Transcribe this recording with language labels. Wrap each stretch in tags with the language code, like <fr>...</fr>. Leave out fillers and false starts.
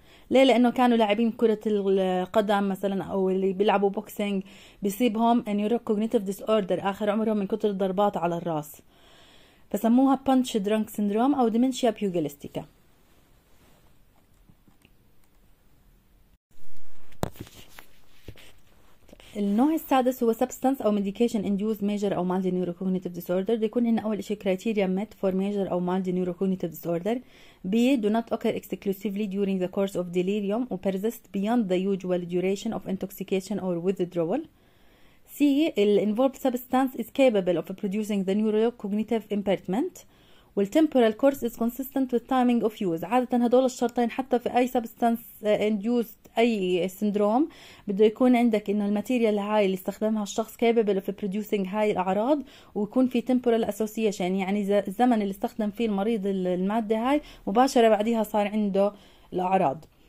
<ar>ليه؟ لانه كانوا لاعبين كره القدم مثلا او اللي بيلعبوا بوكسينج بيصيبهم نيوروكوجنيتيف ديس اوردر اخر عمرهم من كتر الضربات على الراس، فسموها بانش درانك سيندروم او ديمنشيا بيوغاليستيكا. النوع السادس هو</ar> <en>substance أو medication induced major أو mild neurocognitive disorder.</en> <ar>بيكون إن أول إشي</ar> <en>criteria met for major أو mild neurocognitive disorder. B do not occur exclusively during the course of delirium or persist beyond the usual duration of intoxication or withdrawal. C the involved substance is capable of producing the neurocognitive impairment. وال temporal course is consistent with timing of use.</en> <ar>عادة هدول الشرطين حتى في أي substance induced أي سندروم بده يكون عندك إنه الماتيريال هاي اللي استخدمها الشخص</ar> <en>capable of producing</en> <ar>هاي الأعراض، ويكون في temporal association يعني الزمن اللي استخدم فيه المريض المادة هاي مباشرة بعديها صار عنده الأعراض.</ar>